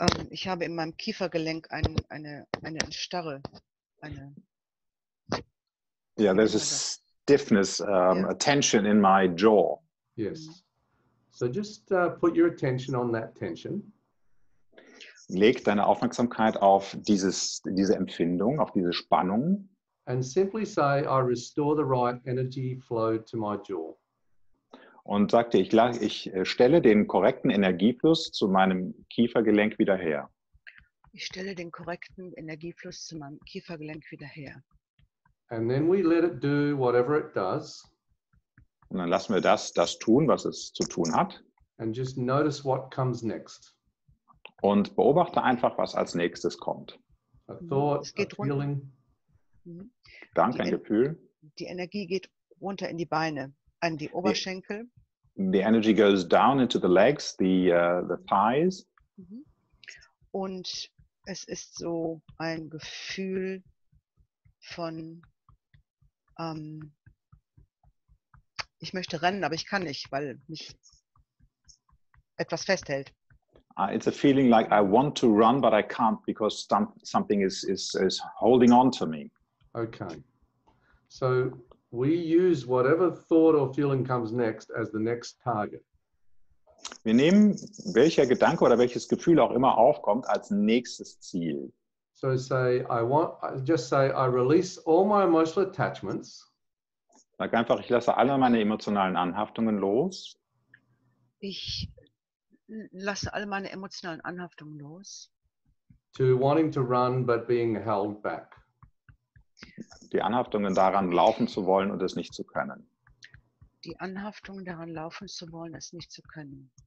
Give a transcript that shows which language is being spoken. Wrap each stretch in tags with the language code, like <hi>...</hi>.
<de>Ich habe in meinem Kiefergelenk eine Starre. Eine</de> <en>yeah, there's a stiffness, a tension in my jaw. Yes. So just put your attention on that tension.</en> <de>Leg deine Aufmerksamkeit auf diese Empfindung, auf diese Spannung.</de> <en>And simply say, I restore the right energy flow to my jaw.</en> <de>Und sagte, ich stelle den korrekten Energiefluss zu meinem Kiefergelenk wieder her. Ich stelle den korrekten Energiefluss zu meinem Kiefergelenk wieder her.</de> <en>And then we let it do whatever it does.</en> <de>Und dann lassen wir das tun, was es zu tun hat.</de> <en>And just notice what comes next.</en> <de>Und beobachte einfach, was als nächstes kommt.</de> <en>A thought,</en> <de>es geht</de> <en>a feeling.</en> <de>Danke, ein Gefühl. Die Energie geht runter in die Beine. An die Oberschenkel.</de> <en>The energy goes down into the legs, the thighs.</en> <de>Und es ist so ein Gefühl von ich möchte rennen, aber ich kann nicht, weil mich etwas festhält.</de> <en>It's a feeling like I want to run, but I can't because something is holding on to me. Okay. So we use whatever thought or feeling comes next as the next target.</en> <de>Wir nehmen welcher Gedanke oder welches Gefühl auch immer aufkommt als nächstes Ziel.</de> <en>So say I release all my emotional attachments.</en> <de>Sag einfach, ich lasse alle meine emotionalen Anhaftungen los. Ich lasse alle meine emotionalen Anhaftungen los.</de> <en>To wanting to run but being held back.</en> <de>Die Anhaftungen daran laufen zu wollen und es nicht zu können. Die Anhaftungen daran laufen zu wollen, es nicht zu können.</de>